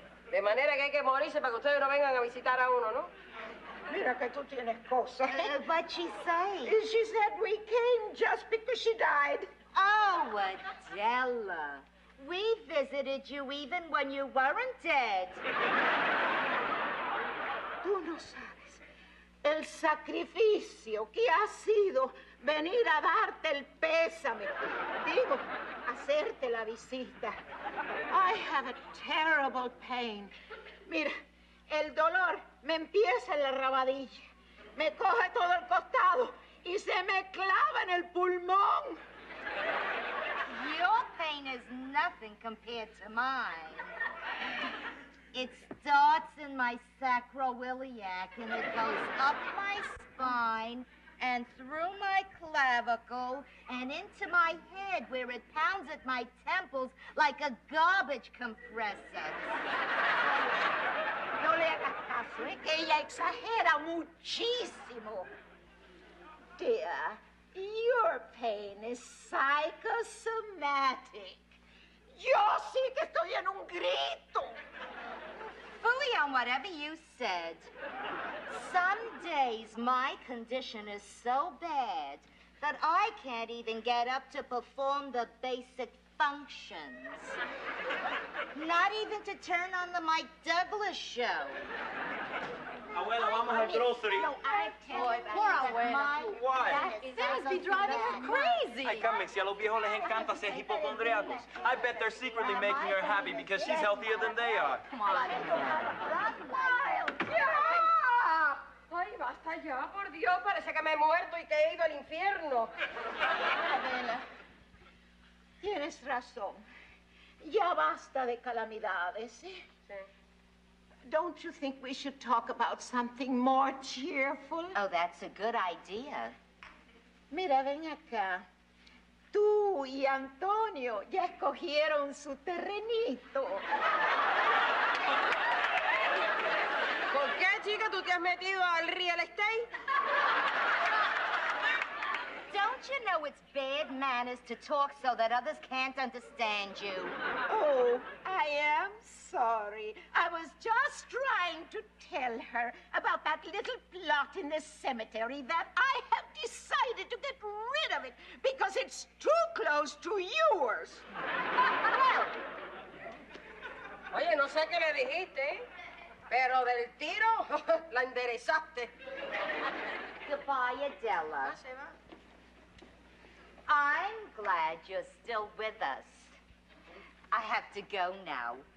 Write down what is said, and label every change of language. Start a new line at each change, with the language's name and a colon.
Spanish: De manera que hay que morirse para que ustedes no vengan a visitar a uno, ¿no? Mira que tú tienes cosas.
English: What she say? She said we came just because she died. Oh, Adela. We visited you even when you weren't dead.
Spanish: Tú no sabes el sacrificio que ha sido venir a darte el pésame. Digo, hacerte la visita.
English: I have a terrible pain.
Spanish: Mira, el dolor me empieza en la rabadilla. Me coge todo el costado y se me clava en el pulmón.
English: Your pain is nothing compared to mine. It starts in my sacroiliac and it goes up my spine and through my clavicle and into my head where it pounds at my temples like a garbage compressor.
Spanish: No le hagas caso, es que ella exagera muchísimo.
English: Dear, your pain is psychosomatic.
Spanish: Yo sí que estoy en un grito.
English: Fully on whatever you said. Some days my condition is so bad that I can't even get up to perform the basic functions. Not even to turn on the Mike Douglas show.
Spanish: Abuela, vamos al grocery.
English: No, I can't. Poor abuela. Why? They must be driving her crazy.
Spanish: Ay, come, si a los viejos les encanta ser hipocondriacos.
English: I bet they're secretly making her happy because she's healthier than they are. Come on.
Spanish: Yeah! Ay, basta ya, por Dios. Parece que me he muerto y que he ido al infierno. Abuela, tienes razón. Ya basta de calamidades, ¿sí?
English: Don't you think we should talk about something more cheerful? Oh, that's a good idea.
Spanish: Mira, ven acá. Tú y Antonio ya escogieron su terrenito. ¿Por qué, chica, tú te has metido al real estate?
English: Don't you know it's bad manners to talk so that others can't understand you? Oh, I am sorry. I was just trying to tell her about that little plot in the cemetery that I have decided to get rid of it because it's too close to yours. Well.
Spanish: Oye, no sé qué le dijiste, pero del tiro la enderezaste.
English: Goodbye, Adela. I'm glad you're still with us. I have to go now.